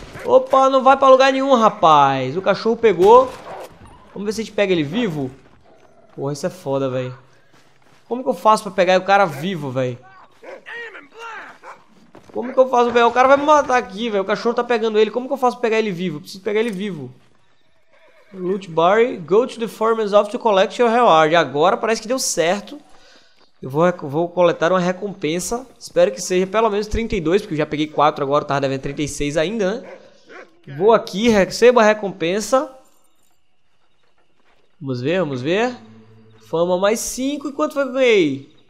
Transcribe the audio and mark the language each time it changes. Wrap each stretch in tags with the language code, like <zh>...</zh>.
<pt>Opa, não vai pra lugar nenhum, rapaz. O cachorro pegou. Vamos ver se a gente pega ele vivo. Porra, isso é foda, velho. Como que eu faço pra pegar o cara vivo, velho? Como que eu faço, velho? O cara vai me matar aqui, velho. O cachorro tá pegando ele. Como que eu faço pra pegar ele vivo? Preciso pegar ele vivo.</pt> <en>Loot Barry, go to the farmer's office to collect your reward.</en> <pt>Agora parece que deu certo. Eu vou coletar uma recompensa. Espero que seja pelo menos 32, porque eu já peguei 4 agora, tava devendo 36 ainda, né? Vou aqui, recebo a recompensa. Vamos ver, vamos ver. Fama mais 5, e quanto foi que eu ganhei?</pt>